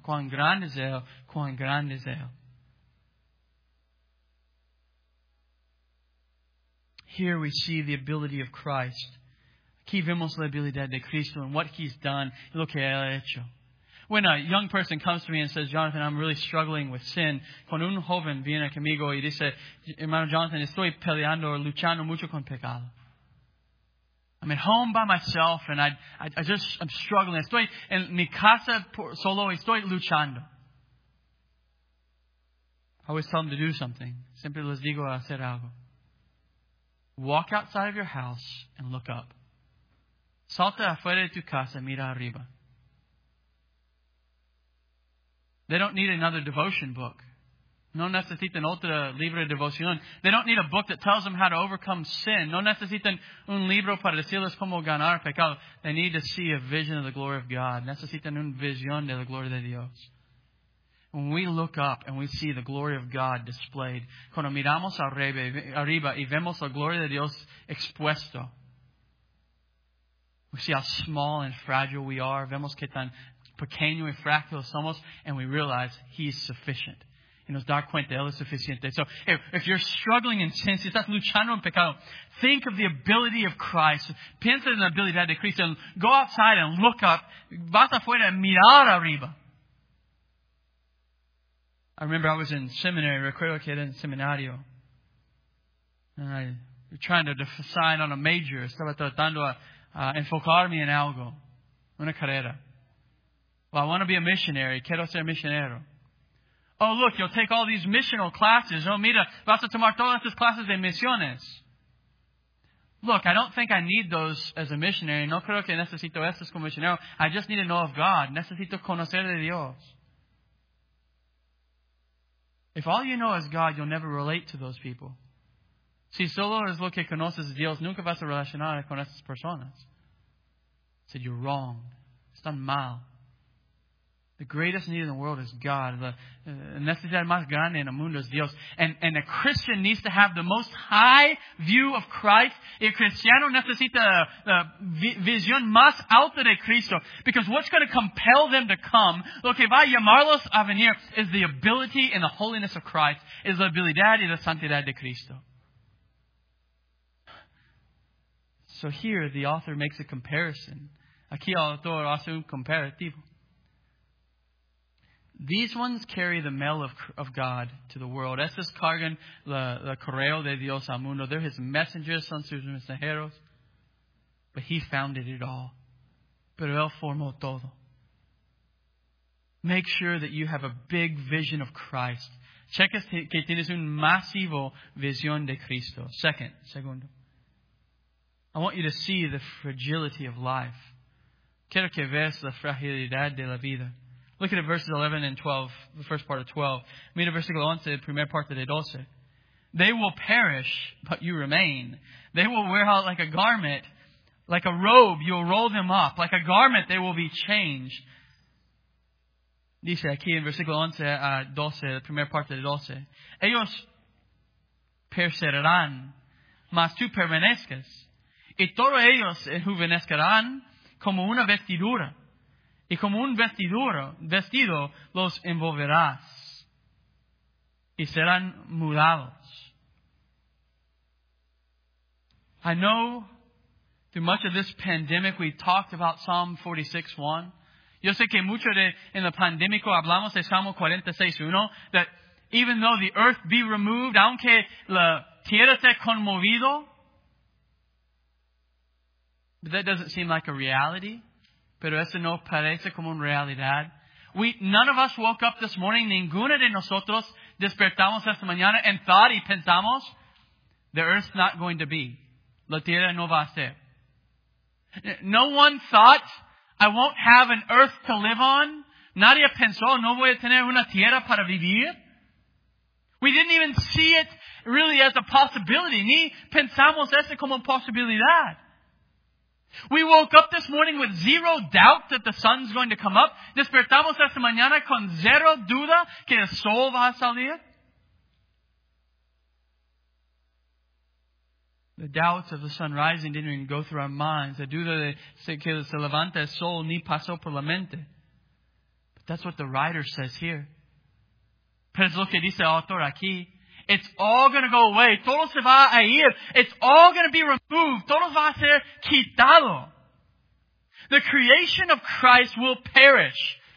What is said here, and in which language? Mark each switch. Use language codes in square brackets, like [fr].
[es] Cuán grande es él. Cuán grande es él. [en] Here we see the ability of Christ. [es] Aquí vemos la habilidad de Cristo [en] and what He's done. [es] Lo que Él ha hecho. [en] When a young person comes to me and says, Jonathan, I'm really struggling with sin. [es] Cuando un joven viene conmigo y dice, hermano Jonathan, estoy peleando o luchando mucho con pecado. [en] I'm at home by myself and I'm struggling. [es] Estoy en mi casa solo y estoy luchando. [en] I always tell them to do something. [es] Siempre les digo a hacer algo. [en] Walk outside of your house and look up. [es] Salta afuera de tu casa, mira arriba. [en] They don't need another devotion book. [es] No necesitan otro libro de devoción. [en] They don't need a book that tells them how to overcome sin. [es] No necesitan un libro para decirles cómo ganar pecado. [en] They need to see a vision of the glory of God. [es] Necesitan una visión de la gloria de Dios. [en] When we look up and we see the glory of God displayed, [es] cuando miramos arriba y vemos la gloria de Dios expuesto, [en] we see how small and fragile we are, [es] vemos que tan pequeño y frágil somos, [en] and we realize He is sufficient. [es] Y nos da cuenta, Él es suficiente. [en] So, if you're struggling in sin, [es] si estás luchando en pecado, [en] think of the ability of Christ. [es] Piensa en la habilidad de Cristo. [en] Go outside and look up. [es] Vas afuera y mirar arriba. [en] I remember I was in seminary. [es] Recuerdo que era en seminario. [en] And I was trying to decide on a major. [es] Estaba tratando a enfocarme en algo. Una carrera. [en] Well, I want to be a missionary. [es] Quiero ser misionero. [en] Oh, look, you'll take all these missional classes. [es] Oh, mira, vas a tomar todas estas clases de misiones. [en] Look, I don't think I need those as a missionary. [es] No creo que necesito estas como misionero. [en] I just need to know of God. [es] Necesito conocer de Dios. [en] If all you know is God, you'll never relate to those people. [es] Si solo es lo que conoces Dios, nunca vas a relacionar con esas personas. [en] I said, you're wrong. [es] Están mal. [en] The greatest need in the world is God. [es] La necesidad más grande en el mundo es Dios. [en] And a Christian needs to have the most high view of Christ. [es] El cristiano necesita la visión más alta de Cristo. [en] Because what's going to compel them to come, [es] lo que va a llamarlos a venir, [en] is the ability and the holiness of Christ, is [es] la habilidad y la santidad de Cristo. [en] So here, the author makes a comparison. [es] Aquí el autor hace un comparativo. [en] These ones carry the mail of God to the world. [es] Estos cargan la correo de Dios al mundo. [en] They're His messengers, [es] son sus mensajeros. [en] But He founded it all. [es] Pero Él formó todo. [en] Make sure that you have a big vision of Christ. [es] Checa que tienes un masivo visión de Cristo. Segundo. [en] I want you to see the fragility of life. [es] Quiero que veas la fragilidad de la vida. [en] Look at verses 11 and 12, the first part of 12. [es] Mira versículo 11, primer parte de 12. [en] They will perish, but you remain. They will wear out like a garment, like a robe, you'll roll them up. Like a garment, they will be changed. [es] Dice aquí en versículo 11 a 12, la primera parte de 12. Ellos perecerán, mas tú permanezcas. y todos ellos enjuvenezcarán como una vestidura. Y como un vestido los envolverás y serán mudados. [en] I know through much of this pandemic we talked about Psalm 46:1. [es] Yo sé que mucho de en la pandemia hablamos de Salmo 46:1, [en] that even though the earth be removed, [es] aunque la tierra esté conmovido, [en] but that doesn't seem like a reality. [es] Pero eso no parece como una realidad. [en] None of us woke up this morning. [es] Ninguna de nosotros despertamos esta mañana [en] and thought [es] y pensamos, [en] the earth's not going to be. [es] La tierra no va a ser. [en] No one thought, I won't have an earth to live on. [es] Nadie pensó, no voy a tener una tierra para vivir. [en] We didn't even see it really as a possibility. [es] Ni pensamos eso como posibilidad. [en] We woke up this morning with zero doubt that the sun's going to come up. [es] Despertamos esta mañana con zero duda que el sol va a salir. [en] The doubts of the sun rising didn't even go through our minds. [es] La duda de que se levanta el sol ni pasó por la mente. [en] But that's what the writer says here. [es] Pero es lo que dice el autor aquí. [en] It's all going to go away. [es] Todo se va a ir. [en] It's all going to be removed. [es] Todo va a ser quitado. [en] The creation of Christ will perish.